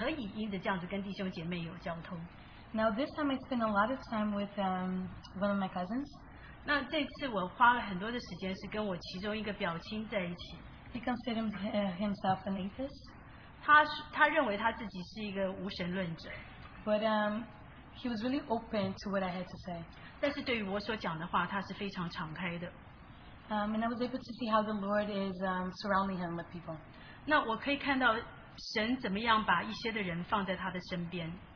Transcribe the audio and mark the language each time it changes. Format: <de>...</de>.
<zh>所以我也很高兴能够借着这个机会看到那些我不容易见到的亲戚，而因着弟兄姐妹们来探望他，那些我没有信主的亲戚也可以因着这样子跟弟兄姐妹有交通。</zh> <en>Now this time I spent a lot of time with one of my cousins.</en> <zh>那这次我花了很多的时间是跟我其中一个表亲在一起。</zh> <en>He considers himself an atheist.</en> <zh>他认为他自己是一个无神论者。</zh> <en>But he was really open to what I had to say.</en> <zh>但是对于我所讲的话, 他是非常敞开的。</zh> <en>And I was able to see how the Lord is surrounding him with people.</en> <zh>那我可以看到神怎么样把一些的人放在他的身边。</zh>